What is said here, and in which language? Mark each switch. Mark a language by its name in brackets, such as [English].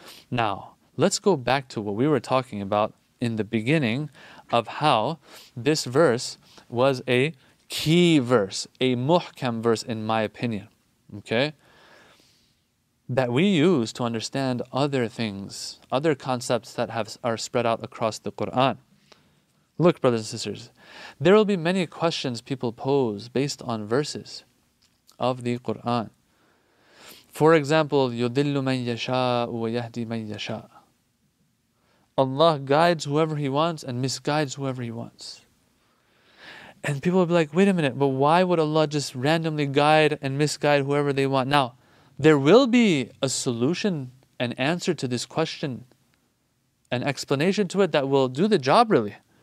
[English] Now, let's go back to what we were talking about in the beginning of how this verse was a key verse, a muhkam verse, in my opinion, okay? That we use to understand other things, other concepts that are spread out across the Quran. Look, brothers and sisters, there will be many questions people pose based on verses of the Quran. [Arabic] For example, يُدِلُّ مَنْ يَشَاءُ وَيَهْدِي مَنْ يَشَاءُ. [English] Allah guides whoever He wants and misguides whoever He wants. And people will be like, wait a minute, but why would Allah just randomly guide and misguide whoever they want? Now, there will be a solution, an answer to this question, an explanation to it that will do the job, really.